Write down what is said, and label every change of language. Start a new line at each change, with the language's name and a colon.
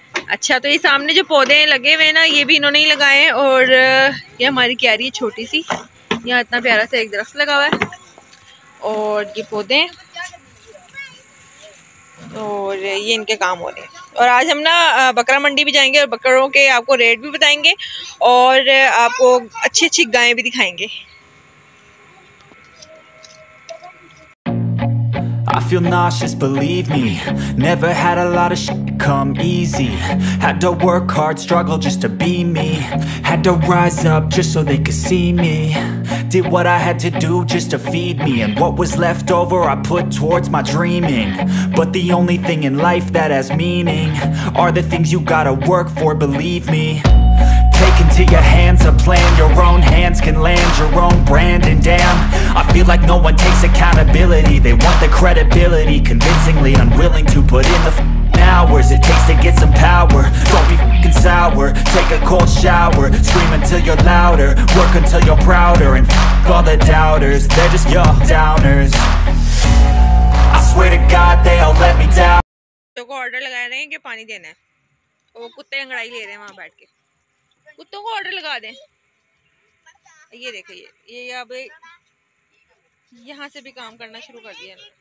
Hindi: अच्छा, तो ये सामने जो पौधे लगे हुए हैं ना, ये भी इन्होंने ही लगाए। और ये हमारी क्यारी है छोटी सी, यहाँ इतना प्यारा सा एक दरख्त लगा हुआ है। और ये पौधे, और ये इनके काम हो रहे हैं। और आज हम ना बकरा मंडी भी जाएंगे और बकरों के आपको रेट भी बताएंगे और आपको अच्छी अच्छी गायें भी दिखाएंगे।
English: I feel nauseous, believe me. Never had a lot of shit come easy. Had to work hard, struggle just to be me. Had to rise up just so they could see me. Did what I had to do just to feed me. And what was left over I put towards my dreaming. But the only thing in life that has meaning are the things you gotta work for, believe me. Into your hands a plan, your own hands can land your own brand. And damn, I feel like no one takes accountability. They want the credibility, convincingly unwilling to put in the hours it takes to get some power. Don't be f***ing sour, take a cold shower. Scream until you're louder, work until you're prouder. And f*** all the doubters, they're just your downers. I swear to God they all let me down.
Hindi: So go order laga rahe hain ki pani dena hai. Wo kutte angrai le rahe hain wahan baith ke. कुत्तों को order लगा दें। ये देखो ये अब यहाँ से भी काम करना शुरू कर दिया।